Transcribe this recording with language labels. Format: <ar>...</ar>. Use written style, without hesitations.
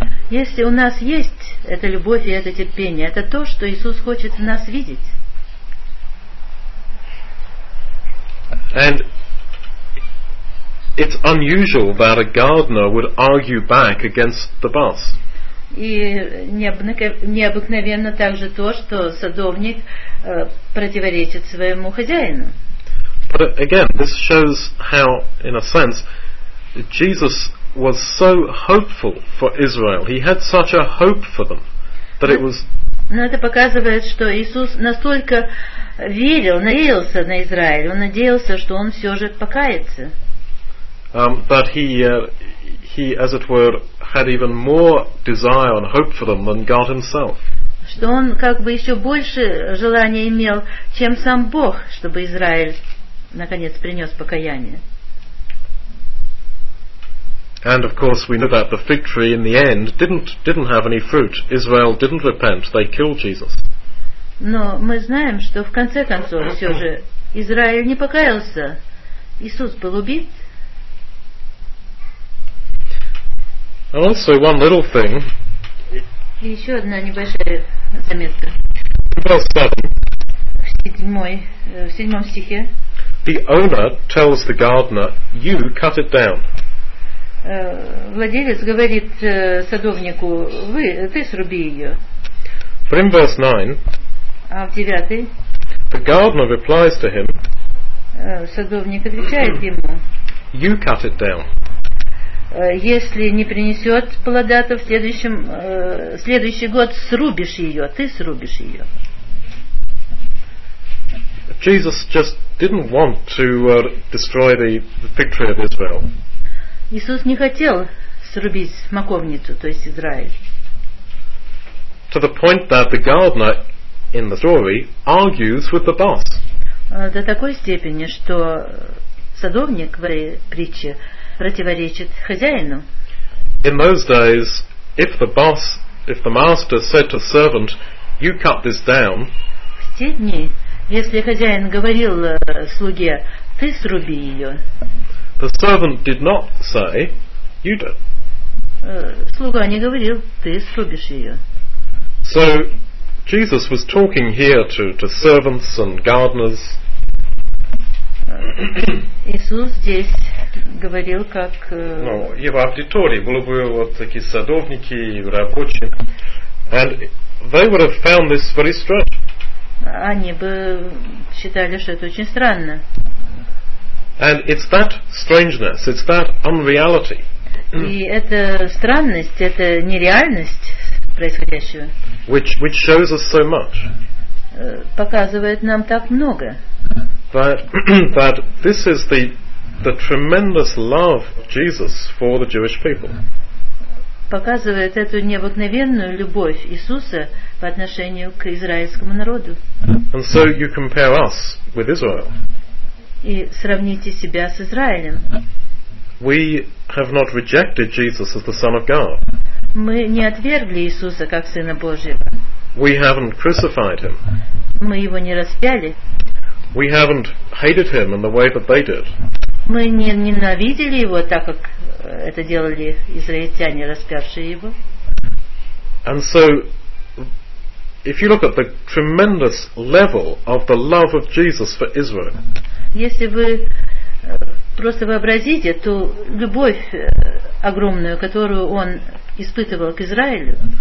<ru>Если у нас есть эта любовь и это терпение, это то, что Иисус хочет в нас видеть.</ru> <en>And it's unusual that a gardener would argue back against the boss.</en> <ru>И необыкновенно также то, что садовник противоречит своему хозяину.</ru> <en>But again, this shows how, in a sense, Jesus was so hopeful for Israel. He had such a hope for them that it was.</en> <ru>Но это показывает, что Иисус настолько верил, надеялся на Израиль. Он надеялся, что он все же покается.</ru> <en>That he, as it were, had even more desire and hope for them than God Himself.</en> <ru>Что он как бы еще больше желания имел, чем сам Бог, чтобы Израиль наконец принес покаяние.</ru> <en>And of course we know that the fig tree in the end didn't have any fruit. Israel didn't repent. They killed Jesus.</en> <ru>Но мы знаем, что в конце концов все же Израиль не покаялся. Иисус был убит.</ru> <en>And also one little thing.</en> <ru>И еще одна небольшая заметка. В седьмом стихе.</ru> <en>The owner tells the gardener, "You cut it down."</en> <ru>Владелец говорит садовнику: "Ты сруби ее."</ru> <en>But in verse 9,</en> <ru>а в 9,</ru> <en>the gardener replies to him.</en> <ru>Садовник отвечает ему:</ru> <en>"You cut it down."</en> <ru>Если не принесет плода, то в следующем следующий год срубишь ее. Ты срубишь ее.</ru> <en>Jesus just didn't want to destroy the fig tree of Israel.</en> <ru>Иисус не хотел срубить смоковницу, то есть Израиль.</ru> <en>To the point that the gardener in the story argues with the boss.</en> <ru>До такой степени, что садовник в притче противоречит хозяину.</ru> <en>In those days, if the boss, if the master said to servant, "You cut this down."</en> <ru>В те дни, если хозяин говорил слуге, "Ты сруби ее."</ru> <en>The servant did not say, "You do."</en> <ru>Слуга не говорил, "Ты срубишь ее."</ru> <en>So Jesus was talking here to servants and gardeners.</en> <ru>Иисус здесь говорил как ну, и в аудитории были бы вот такие садовники и рабочие.</ru> <en>And they would have found this very strange.</en> <ru>Они бы считали, что это очень странно.</ru> <en>And it's that strangeness, it's that unreality.</en> <ru>И это странность, это нереальность происходящего.</ru> <en>Which shows us so much.</en> <ru>Показывает нам так много.</ru> <en>That this is the tremendous love of Jesus for the Jewish people.</en> <ru>Показывает эту необыкновенную любовь Иисуса по отношению к израильскому народу.</ru> <en>And so you compare us with Israel.</en> <ru>И сравните себя с Израилем.</ru> <en>We have not rejected Jesus as the Son of God.</en> <ru>Мы не отвергли Иисуса как Сына Божьего.</ru> <en>We haven't crucified him.</en> <ru>Мы его не распяли.</ru> <en>We haven't hated him in the way that they did.</en> <ru>Мы не ненавидели его так, как это делали израильтяне, распявшие его.</ru> <en>And so, if you look at the tremendous level of the love of Jesus for Israel.</en> <ru>Если вы просто вообразите ту любовь огромную, которую он испытывал к Израилю.</ru>